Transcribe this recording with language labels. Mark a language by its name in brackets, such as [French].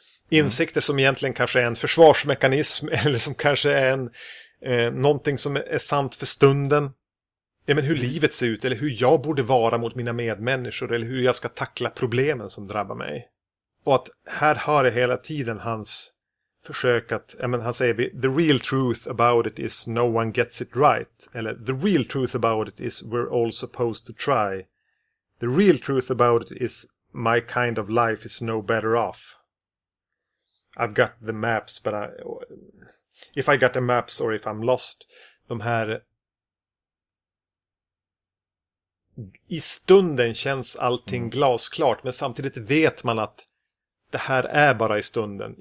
[Swedish] Insikter som egentligen kanske är en försvarsmekanism eller som kanske är en någonting som är sant för stunden. Ja, men hur livet ser ut eller hur jag borde vara mot mina medmänniskor eller hur jag ska tackla problemen som drabbar mig. Och att här har jag hela tiden hans försök att, ja, men han säger [English] the real truth about it is no one gets it right. [Swedish] Eller [English] the real truth about it is we're all supposed to try. The real truth about it is my kind of life is no better off. I've got the maps, but if I got the maps or if I'm lost, [Swedish] de här i stunden känns allting glasklart, men samtidigt vet man att det här är bara i stunden.